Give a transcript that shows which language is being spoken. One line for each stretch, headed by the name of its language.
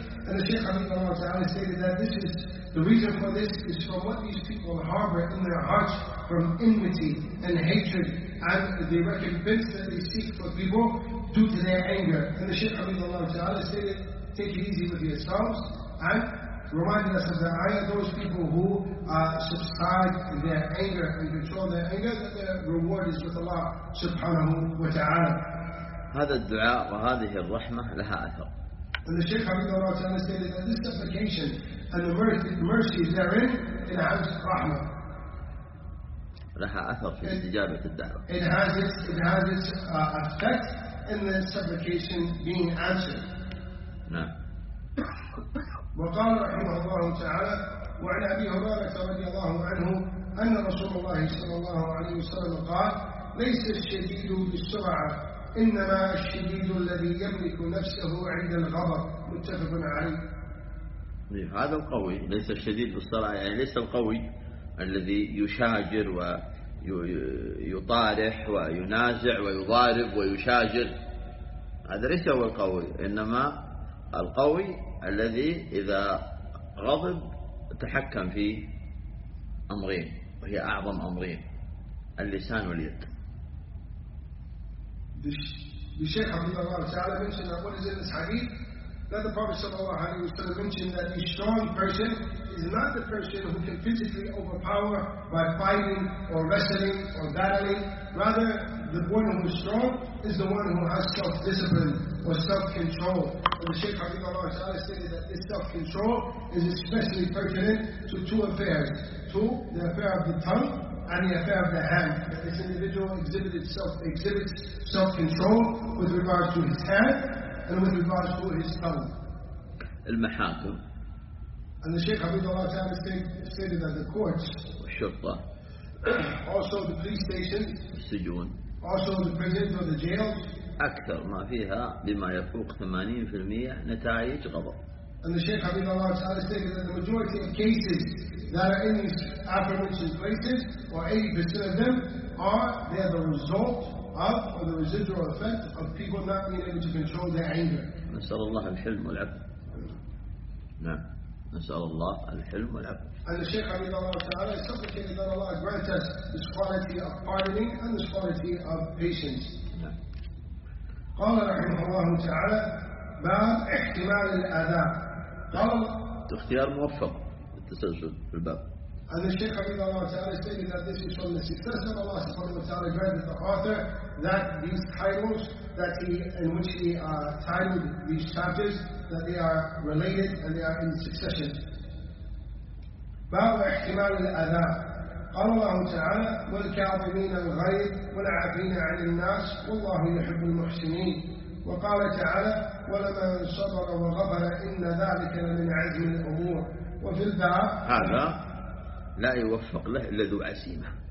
English: And the Shaykh Habib Allah Ta'ala stated that this is the reason for this is from what these people harbor in their hearts from enmity and hatred, and the recompense that they seek for people due to their anger. And the Shaykh Habib Allah Ta'ala stated, take it easy with yourselves, and reminding us of the ayah, those people who subside in their anger and control their anger, that their reward is with Allah subhanahu wa ta'ala.
Arabic: هذا الدعاء وهذه الرحمة لها أثر.
English: And the Sheikh Abu Dawud Al-Tani said that this supplication and the mercy therein it has rahmah.
Arabic: لها أثر في استجابة الدعوة.
English: It has its effect in the supplication being answered.
Arabic: نعم. وقال رحمه الله تعالى وعن أبي هريرة رضي الله عنه أن رسول الله صلى الله عليه وسلم قال ليس الشديد بالسرعة إنما الشديد الذي يملك نفسه عند الغضب. متفق عليه. هذا القوي ليس الشديد بالسرعة يعني ليس القوي الذي يشاجر ويطارح وينازع ويضارب ويشاجر هذا ليس هو القوي إنما القوي الذي إذا غضب تحكم في أمرين وهي أعظم أمرين اللسان واليد. بشيخ عبد الله تعالى
English: mentioned that what is in this hadith that the Prophet
Arabic: صلى الله عليه وسلم
English: mentioned that the strong person is not the person who can physically overpower by fighting or wrestling or battling. Rather, the one who is strong is the one who has self-discipline or self-control. And the Shaykh Habib Allah Ta'ala stated that this self-control is especially pertinent to two affairs. To the affair of the tongue and the affair of the hand. That this individual exhibits self-control with regards to his hand and with regards to his tongue.
Arabic: المحاكم.
English: And the Shaykh Habib Allah Ta'ala stated that the courts
Arabic: الشرطة.
English: Also the police station
Arabic: السجون.
English: Also the prisons or the jails
Arabic: أكثر ما فيها بما يفوق 80% نتائج غضب.
English: And the Sheikh Habib Allah Ta'ala stated that the majority of cases that are in these aforementioned places, or 80% of them, they are the result of or the residual effect of people not being able to control their anger.
Arabic: نسأل الله الحلم والعفو. نعم. نسأل الله الحلم والعفو.
English: And the Sheikh Habib Allah Ta'ala is supplicating that Allah grant us this quality of pardoning and this quality of patience.
Arabic: قال رحمه الله تعالى باب احتمال الأذى. قال اختيار موفق التسلسل في الباب.
English: And the Shaykh Abid Allah Ta'ala stated that this is from the success of Allah subhanahu wa ta'ala granted the author that these titles that he in which he titled these chapters that they are related and they are in succession.
Arabic: باب احتمال الأذى. قال الله تعالى والكاظمين الغيظ والعافين عن الناس والله يحب المحسنين. وقال تعالى ولمن صبر وغفر إن ذلك لمن عزم الأمور. وفي الباب هذا لا يوفق له إلا ذو عزيمة.